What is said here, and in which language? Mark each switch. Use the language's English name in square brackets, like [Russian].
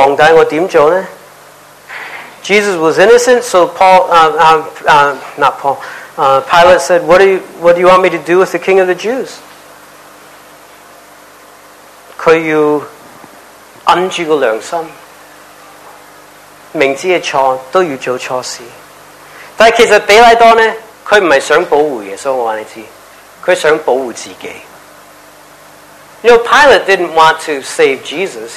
[English] Jesus was innocent, so Pilate said, what do you want me to do with the king of the Jews? [Cantonese] 他要按住個良心，明知嘅錯都要做錯事。但其實比拉多呢，佢唔係想保護耶穌，我話你知，佢想保護自己。 [English] You know, Pilate didn't want to save Jesus.